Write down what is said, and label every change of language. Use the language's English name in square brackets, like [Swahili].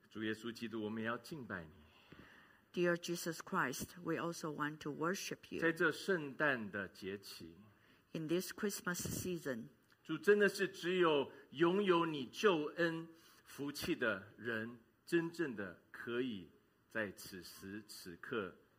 [Chinese] 主耶稣基督，我们也要敬拜你。 [English] Dear Jesus Christ, we also want to worship you. [Chinese] 在这圣诞的节期, [English] in this Christmas season, [Chinese] 主真的是只有拥有你救恩福气的人，真正的可以在此时此刻。